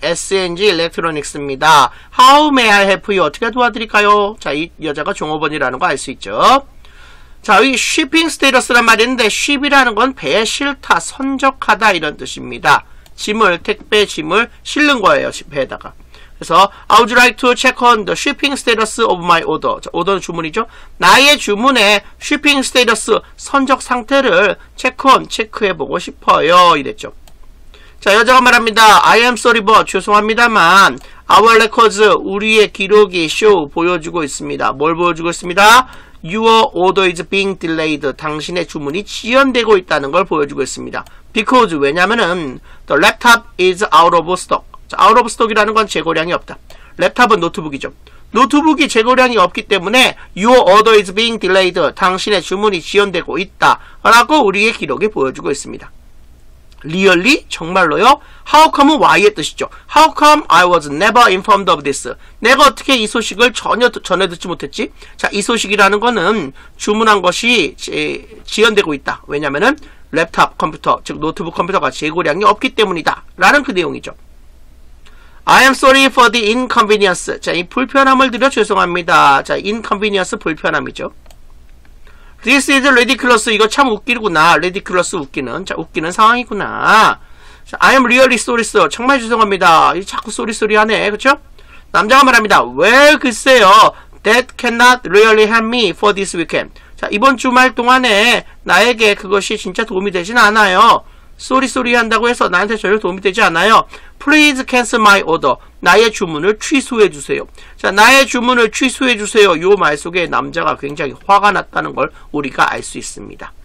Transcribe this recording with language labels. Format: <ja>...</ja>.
<ko>SNG Electronics입니다.</ko> <en>How may I help you?</en> <ko>어떻게 도와드릴까요? 자, 이 여자가 종업원이라는 거 알 수 있죠. 자, 이 shipping status란 말인데 ship이라는 건 배에 실다, 선적하다 이런 뜻입니다. 짐을, 택배 짐을 실는 거예요. 배에다가.</ko> <en>그래서 I would like to check on the shipping status of my order.</en> <ko>자, 오더는 주문이죠. 나의 주문의 shipping status, 선적 상태를 체크해보고 싶어요. 이랬죠. 자, 여자가 말합니다.</ko> <en>I am sorry, but</en> <ko>죄송합니다만</ko> <en>our records,</en> <ko>우리의 기록이 show, 보여주고 있습니다. 뭘 보여주고 있습니다?</ko> <en>Your order is being delayed.</en> <ko>당신의 주문이 지연되고 있다는 걸 보여주고 있습니다.</ko> <en>Because, 왜냐면은 the laptop is out of stock.</en> <ko>자, out of stock이라는 건 재고량이 없다. 랩탑은 노트북이죠. 노트북이 재고량이 없기 때문에</ko> <en>your order is being delayed.</en> <ko>당신의 주문이 지연되고 있다. 라고 우리의 기록이 보여주고 있습니다.</ko> <en>Really?</en> <ko>정말로요?</ko> <en>How come? Why? 의 뜻이죠. How come I was never informed of this?</en> <ko>내가 어떻게 이 소식을 전혀 전해 듣지 못했지? 자, 이 소식이라는 거는 주문한 것이 지연되고 있다. 왜냐면은 랩탑 컴퓨터, 즉 노트북 컴퓨터가 재고량이 없기 때문이다. 라는 그 내용이죠.</ko> <en>I am sorry for the inconvenience.</en> <ko>자, 이 불편함을 드려 죄송합니다. 자, inconvenience 불편함이죠.</ko> <en>This is ridiculous.</en> <ko>이거 참 웃기구나. Ridiculous 웃기는. 자, 웃기는 상황이구나.</ko> <en>I am really sorry, sir.</en> <ko>정말 죄송합니다. 자꾸 쏘리쏘리 하네. 그쵸? 남자가 말합니다.</ko> <en>Well,</en> <ko>글쎄요.</ko> <en>That cannot really help me for this weekend.</en> <ko>자, 이번 주말 동안에 나에게 그것이 진짜 도움이 되진 않아요. 쏘리쏘리 한다고 해서 나한테 전혀 도움이 되지 않아요.</ko> <en>Please cancel my order.</en> <ko>나의 주문을 취소해주세요. 자, 나의 주문을 취소해주세요. 요 말 속에 남자가 굉장히 화가 났다는 걸 우리가 알 수 있습니다.</ko>